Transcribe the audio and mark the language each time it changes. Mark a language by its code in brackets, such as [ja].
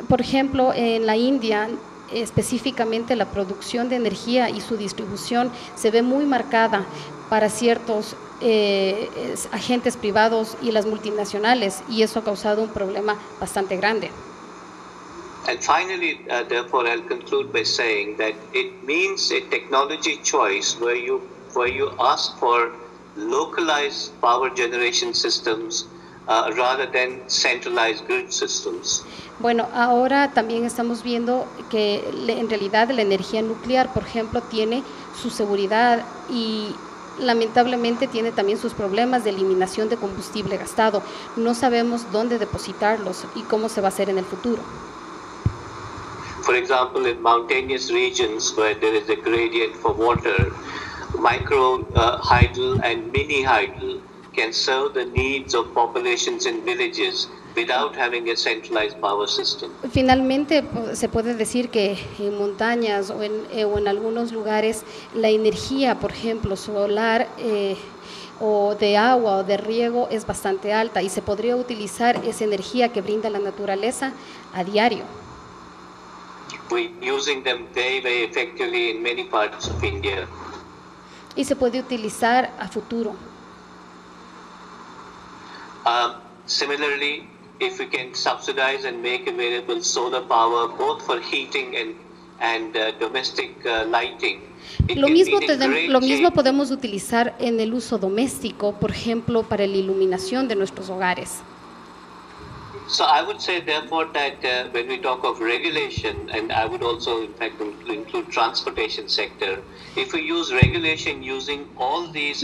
[es] Por ejemplo, en la India, específicamente la producción de energía y su distribución se ve muy marcada para ciertos agentes privados y las multinacionales, y eso ha causado un problema bastante grande. [en] And finally, therefore, I'll conclude by saying that it means a technology choice where you ask for localized power generation systems rather than centralized grid systems. [es] Bueno, ahora también estamos viendo que en realidad la energía nuclear, por ejemplo, tiene su seguridad y lamentablemente tiene también sus problemas de eliminación de combustible gastado. No sabemos dónde depositarlos y cómo se va a hacer en el futuro. [en] For example, in mountainous regions where there is a gradient for water, micro hydel and mini hydel can serve the needs of populations in villages without having a centralized power system. [es] Finalmente, se puede decir que en montañas o en algunos lugares, la energía, por ejemplo, solar o de agua o de riego es bastante alta y se podría utilizar esa energía que brinda la naturaleza a diario. [en] We're using them very, very effectively in many parts of India. [es] Y se puede utilizar a futuro. [en] Similarly, if we can subsidize and make available solar power both for heating and and domestic lighting. [es] Lo mismo podemos utilizar en el uso doméstico, por ejemplo, para la iluminación de nuestros hogares. [en] So I would say, therefore, that when we talk of regulation, and I would also, in fact, include transportation sector, if we use regulation using all these.